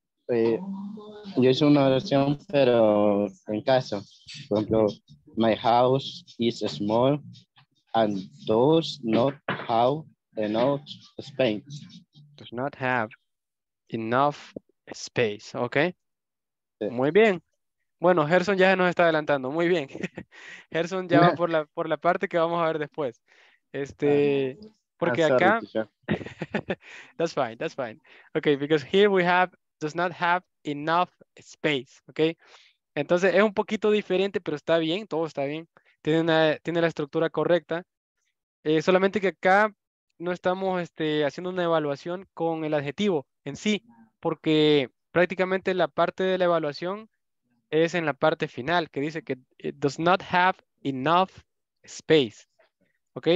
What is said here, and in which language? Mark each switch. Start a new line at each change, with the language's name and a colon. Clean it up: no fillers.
Spanish: Yo hice una oración, pero en caso, por ejemplo,
English: my house is small and does not have enough space. Does not have enough space, ok.
Spanish: Sí. Muy bien. Bueno, Gerson ya nos está adelantando, muy bien. Gerson ya va por la parte que vamos a ver después. Porque
English: sorry, acá... that's fine, that's fine. Ok, because here we have does not have enough space, ¿ok?
Spanish: Entonces, es un poquito diferente, pero está bien, todo está bien. Tiene la estructura correcta. Solamente que acá no estamos haciendo una evaluación con el adjetivo en sí, porque prácticamente la parte de la evaluación es en la parte final, que dice que
English: it does not have enough space,
Spanish: ¿ok?